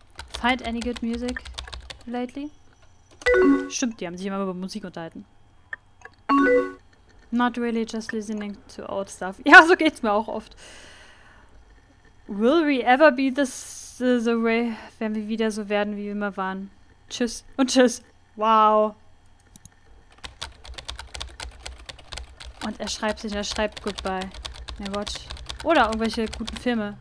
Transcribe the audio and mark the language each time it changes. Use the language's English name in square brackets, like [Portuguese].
[English] Find any good music lately? [German] Stimmt, die haben sich immer über Musik unterhalten. [English] Not really just listening to old stuff. [German] Ja, so geht's mir auch oft. [English] Will we ever be the way, [German] wenn wir wieder so werden, wie wir immer waren? Tschüss und tschüss. Wow. Und er schreibt sich, er schreibt Goodbye. [English] Yeah, watch. [German] Oder irgendwelche guten Filme.